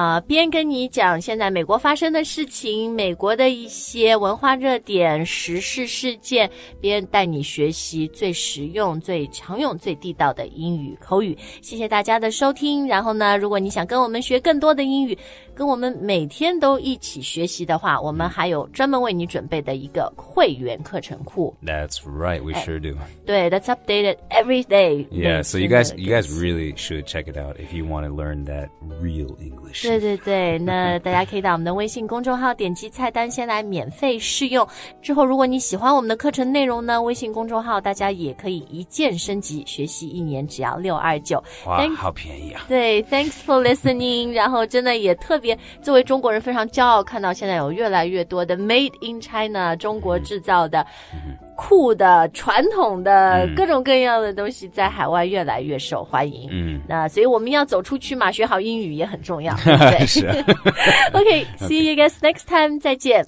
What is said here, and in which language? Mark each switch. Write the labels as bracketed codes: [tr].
[zh] 边跟你讲现在美国发生的事情美国的一些文化热点时事事件边带你学习最实用最常用最地道的英语口语谢谢大家的收听然后呢如果你想跟我们学更多的英语跟我们每天都一起学习的话我们还有专门为你准备的一个会员课程库 [en] That's right, we sure do 对 that's updated every day Yeah, so you guys really should check it out if you want to learn that real English [zh] 对对对那大家可以到我们的微信公众号点击菜单先来免费试用之后如果你喜欢我们的课程内容呢微信公众号大家也可以一键升级学习一年只要629 哇 thanks, 好便宜啊对 [en] thanks for listening [zh] 然后真的也特别作为中国人非常骄傲看到现在有越来越多的 made in China 中国制造的、酷的传统的、各种各样的东西在海外越来越受欢迎、那所以我们要走出去嘛学好英语也很重要对是、 [en] OK see you guys next time 再见